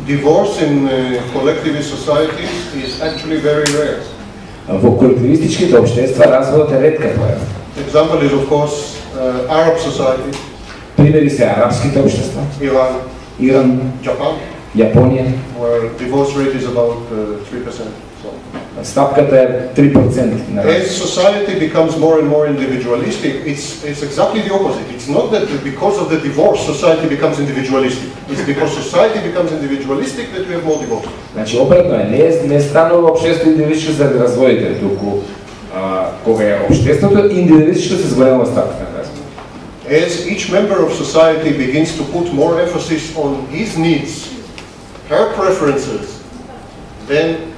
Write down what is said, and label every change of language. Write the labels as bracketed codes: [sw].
[en] divorce in collectivist societies is actually very rare. [mk] Во колективистичките општества разводот е ретка појава. [en] Example is of course Arab society. [mk] Примери се арапските општества. Иран. Иран. Јапан. Јапонија. [en] Where divorce rate is about 3%. [mk] Стапката е 3%. [en] As society becomes more and more individualistic, it's exactly the opposite. It's not that because of the divorce society becomes individualistic. It's because society becomes individualistic that we have more divorce. [mk] Значи обратно е, не станува општеството индивидуалистичко за развоите, туку кога е општеството индивидуалистичко се зголемува стапката. [en] As each member of society begins to put more emphasis on his needs, her preferences, then